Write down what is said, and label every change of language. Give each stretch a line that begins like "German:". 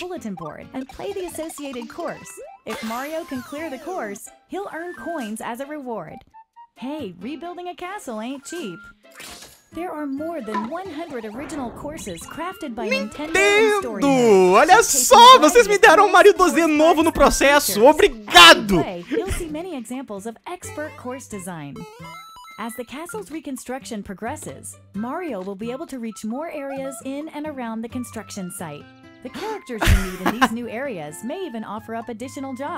English: The bulletin board and play the associated course. If Mario can clear the course, he'll earn coins as a reward. Hey, rebuilding a castle ain't cheap. There are more than 100 original courses crafted by Nintendo.
Portuguese: Olha só, vocês me deram um Mario 2D novo no processo. Obrigado.
English: You'll see many examples of expert course design. As the castle's reconstruction progresses, Mario will be able to reach more areas in and around the construction site. The characters you need in these new areas may even offer up additional jobs.